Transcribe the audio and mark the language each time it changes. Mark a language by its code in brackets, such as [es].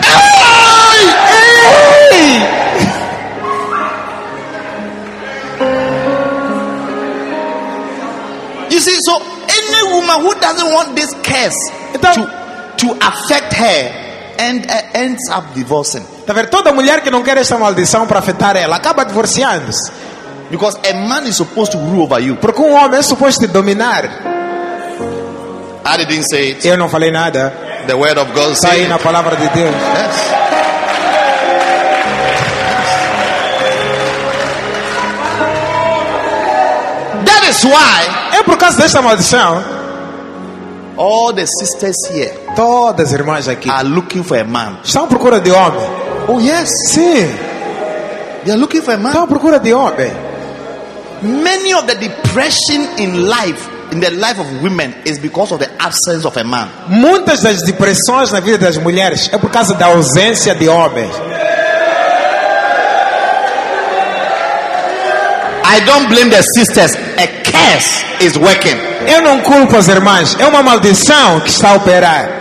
[en] Ei! Ei! You see, so any woman who doesn't want this curse to affect her. And ends up divorcing. [pt] Tá vendo? Toda mulher que não quer esta maldição para afetar ela acaba divorciando-se. [en] Because a man is supposed to rule over you. [pt] Porque homem é suposto te dominar. [en] I didn't say it. [pt] Eu não falei nada. [en] The word of God [pt] está aí na palavra de Deus. [en] Yes. The That's why. [pt] É por causa desta maldição. [en] All the sisters here. [pt] Todas as irmãs aqui. [en] Are looking for a man. [pt] Estão à procura de homem. [en] Oh yes. [pt] Sim. [en] They are looking for a man. [pt] Estão à procura de homem. [en] Many of the depression in life, in the life of women, is because of the absence of a man. [pt] Muitas das depressões na vida das mulheres é por causa da ausência de homens. [en] I don't blame the sisters. A curse is working. [pt] Eu não culpo as irmãs. É uma maldição que está a operar.